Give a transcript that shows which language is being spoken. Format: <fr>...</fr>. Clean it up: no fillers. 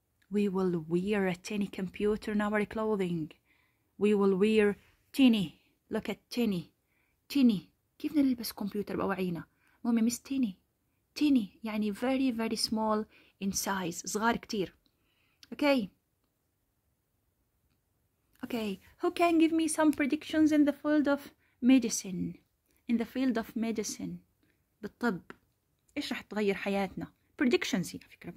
<en>We will wear a tiny computer in our clothing. We will wear tiny. Look at tiny. Tiny.</en> <ar>كيف نلبس كمبيوتر بأوعينا؟ مهم مس tiny.</ar> <en>Tiny. يعني very very small in size.</en> <ar>صغار كتير.</ar> <en>Okay. Okay. Who can give me some predictions in the field of medicine? In the field of medicine. بالطب.</en> <ar>إيش رح تغير حياتنا؟ Predictions يعني فكرة.</ar>